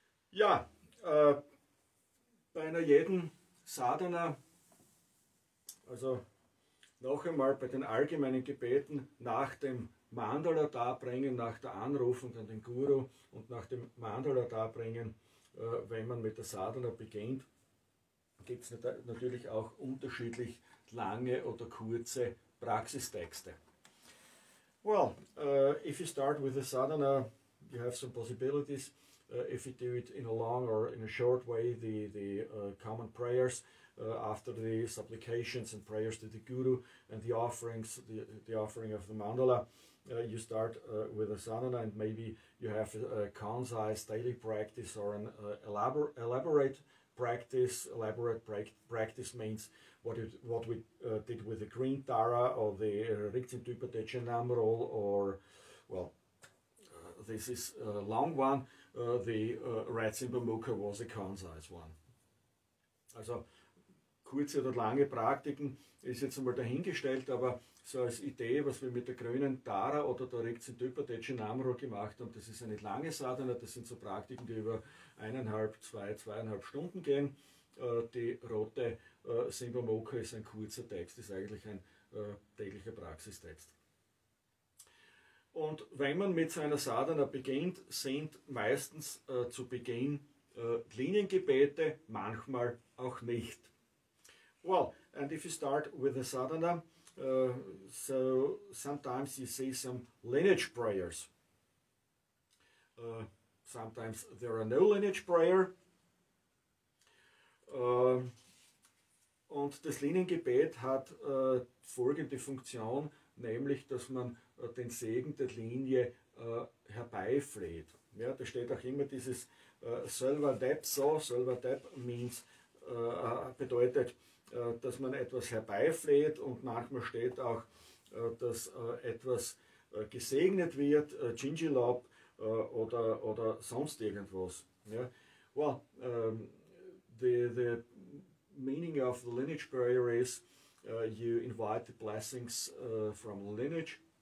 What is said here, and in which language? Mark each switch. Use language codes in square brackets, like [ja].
[de] Ja, bei einer jeden Sadhana, also noch einmal bei den allgemeinen Gebeten, nach dem Mandala darbringen, nach der Anrufung an den Guru und nach dem Mandala darbringen, wenn man mit der Sadhana beginnt, gibt es natürlich auch unterschiedlich lange oder kurze Praxistexte. [en] Well, if you start with a sadhana, you have some possibilities. If you do it in a long or in a short way, the common prayers after the supplications and prayers to the guru and the offerings, the offering of the mandala, you start with a sadhana, and maybe you have a concise daily practice or an elaborate practice. Elaborate practice means what we did with the green Tara or the Rigtsin Tüpa Techen Namrol, or well, this is a long one. The Ratsin Bamukha was a concise one. [de] Also kurze oder lange Praktiken ist jetzt einmal dahingestellt, aber so als Idee, was wir mit der grünen Tara oder der Rigtsin Tüpa Techen Namrol gemacht haben, das ist eine lange Sadhana, das sind so Praktiken, die über zweieinhalb Stunden gehen. Die rote Simba Mokha ist ein kurzer Text, ist eigentlich ein täglicher Praxistext. Und wenn man mit seiner Sadhana beginnt, sind meistens zu Beginn Liniengebete, manchmal auch nicht. [en] Well, and if you start with a Sadhana, so sometimes you see some lineage prayers. Sometimes there are no lineage prayer. [de] Und das Liniengebet hat folgende Funktion, nämlich, dass man den Segen der Linie herbeifleht. Ja, da steht auch immer dieses Selber Deb so. Selber Deb means, bedeutet, dass man etwas herbeifleht, und manchmal steht auch, dass etwas gesegnet wird, Gingilab oder sonst irgendwas. Ja? [en] Well, the meaning of the lineage prayer is, you invite the blessings from lineage.